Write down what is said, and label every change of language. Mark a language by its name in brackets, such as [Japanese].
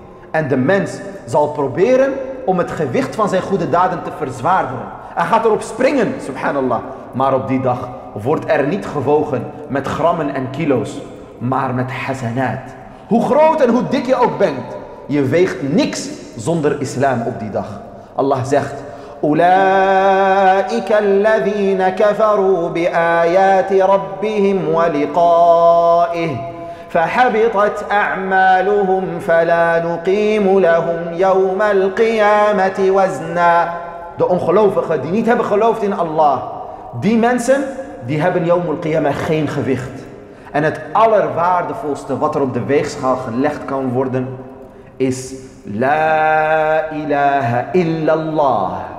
[Dutch] En de mens zal proberen om het gewicht van zijn goede daden te verzwaarderen. Hij gaat erop springen, subhanallah. Maar op die dag wordt er niet gewogen met grammen en kilo's, maar met hasanaat. Hoe groot en hoe dik je ook bent, je weegt niks zonder islam op die dag. Allah zegt: [Arabic] أولئك الذين كفروا بآيات ربهم ولقائه فحبطت أعمالهم فلا نقيم لهم يوم القيامة وزنا. [Dutch] De ongelovigen die niet hebben geloofd in Allah, die mensen die hebben [Arabic] يوم القيامة [Dutch] geen gewicht. En het allerwaardevolste wat er op de weegschaal gelegd kan worden is [Arabic] لا إله إلا الله.